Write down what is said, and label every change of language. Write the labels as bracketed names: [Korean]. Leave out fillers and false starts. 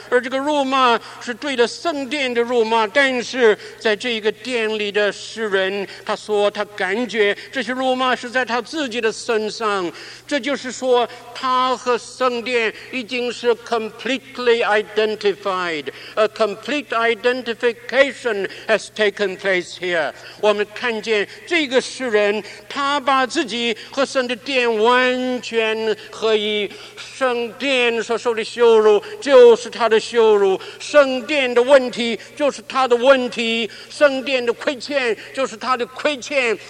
[Chinese] 而这个辱骂是对着圣殿的辱骂，但是在这个殿里的世人，他说他感觉这些辱骂是在他自己的身上。这就是说，他和圣殿已经是 [English] completely identified。 A complete identification has taken place here. [Chinese] 我们看见这个世人，他把自己和神的殿完全合一。圣殿所受的羞辱就是他的羞辱，圣殿的问题就是他的问题，圣殿的亏欠就是他的亏欠。